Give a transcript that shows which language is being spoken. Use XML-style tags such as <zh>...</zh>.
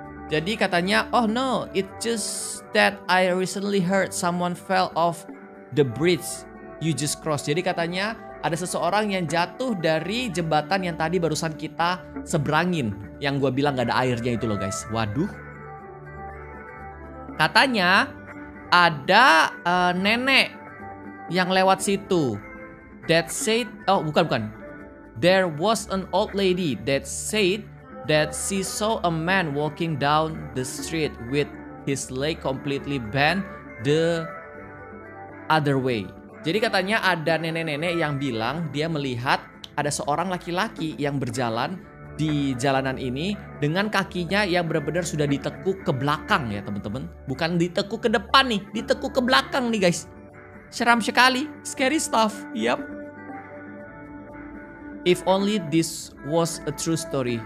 <id>Jadi katanya,</id> <en>oh no, it's just that I recently heard someone fell off the bridge you just crossed.</en> <id>Jadi katanya ada seseorang yang jatuh dari jembatan yang tadi barusan kita seberangin. Yang gue bilang gak ada airnya itu loh guys. Waduh. Katanya ada nenek yang lewat situ.</id> <en>There was an old lady that said that she saw a man walking down the street with his leg completely bent the other way.</en> <id>Jadi katanya ada nenek-nenek yang bilang dia melihat ada seorang laki-laki yang berjalan di jalanan ini dengan kakinya yang benar-benar sudah ditekuk ke belakang ya teman-teman. Bukan ditekuk ke depan nih, ditekuk ke belakang nih guys. Seram sekali.</id> <en>Scary stuff. Yep. If only this was a true story.</en>